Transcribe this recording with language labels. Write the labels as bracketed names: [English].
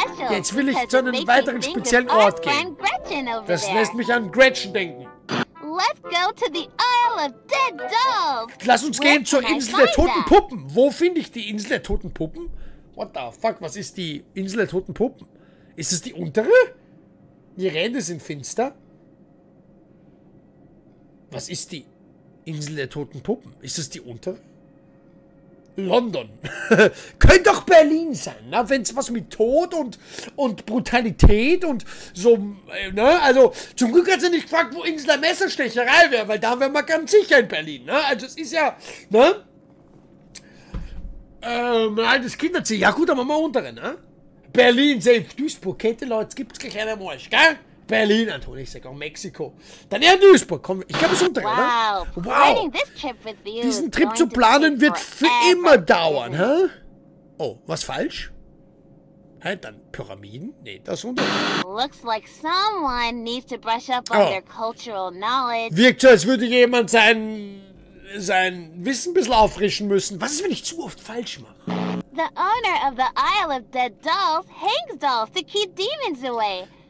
[German] Jetzt will ich zu einem weiteren speziellen Ort gehen. Das lässt mich an Gretchen denken. [English] Let's go to the Isle of Dead Dolls. [German] Lass uns gehen zur Insel der toten Puppen. Wo finde ich die Insel der toten Puppen? [English] What the fuck? [German] Was ist die Insel der toten Puppen? Ist es die untere? Die Ränder sind finster. Was ist die Insel der toten Puppen? Ist es die untere? London. Könnte doch Berlin sein, ne? Wenn es was mit Tod und Brutalität und so, ne? Also, zum Glück hat sie nicht gefragt, wo Insel der Messerstecherei wäre, weil da wären wir ganz sicher in Berlin, ne? Also, es ist ja, ne? Ein altes Kinderzimmer. Ja, gut, dann machen wir untere, ne? Berlin, selbst Duisburg. Kennt ihr Leute? Gibt's gleich einen Morsch, gell? Berlin, Anton, ich sag auch Mexiko. Dann eher Duisburg, komm, ich glaube es untere, wow, ne? Wow, diesen Trip zu planen wird für immer dauern, hä? Huh? Oh, was falsch? Hä, hey, dann Pyramiden? Nee, das untere. [English] Looks like someone needs to brush up on their cultural knowledge. [German] Wirkt so, als würde jemand sein Wissen ein bisschen auffrischen müssen. Was ist, wenn ich zu oft falsch mache? [English] The owner of the Isle of Dead Dolls hangs dolls to keep demons away.